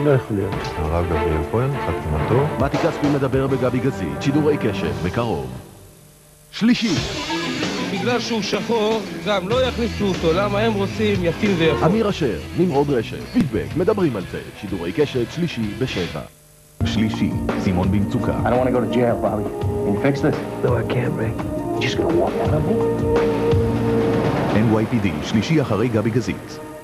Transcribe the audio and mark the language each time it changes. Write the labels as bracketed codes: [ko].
[he] לא יכול להיות. הרב גבריאל כהן, חתימתו. מתי כספי מדבר בגבי גזיר. שידורי קשת, בקרוב. שלישי. בגלל שהוא שחור, גם לא יכניסו אותו, למה הם רוצים יפים ויפות. אמיר אשר, נמרוד רשת, פידבק, מדברים על זה. שידורי קשת, שלישי בשבע. שלישי, סימון במצוקה. [en] I don't want to go to jail, Bobby. Can you fix this? No, I can't, Ray. I'm just gonna walk out of [he] here. NYPD, שלישי אחרי גבי גזית.